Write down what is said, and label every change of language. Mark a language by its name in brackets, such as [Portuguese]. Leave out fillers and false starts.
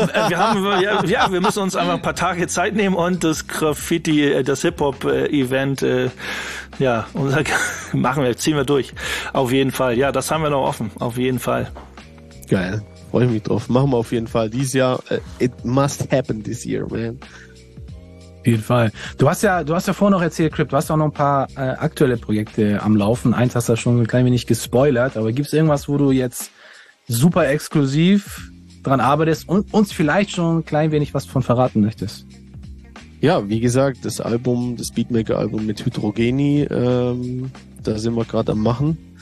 [German] Jahren. Guck mal, wir müssen uns einfach ein paar Tage Zeit nehmen und das Graffiti, das Hip-Hop-Event, ja, unser, machen wir, ziehen wir durch. Auf jeden Fall, ja, das haben wir noch offen, auf jeden Fall. Geil, freue ich mich drauf, machen wir auf jeden Fall dieses Jahr. [English] It must happen this year, man. [German] Auf jeden Fall. Du hast ja vorhin noch erzählt, Crypt, du hast auch noch ein paar aktuelle Projekte am Laufen. Eins hast du ja schon ein klein wenig gespoilert, aber gibt es irgendwas, wo du jetzt super exklusiv dran arbeitest und uns vielleicht schon ein klein wenig was von verraten möchtest? Ja, wie gesagt, das Album, das Beatmaker-Album mit Hydrogeni, da sind wir gerade am Machen.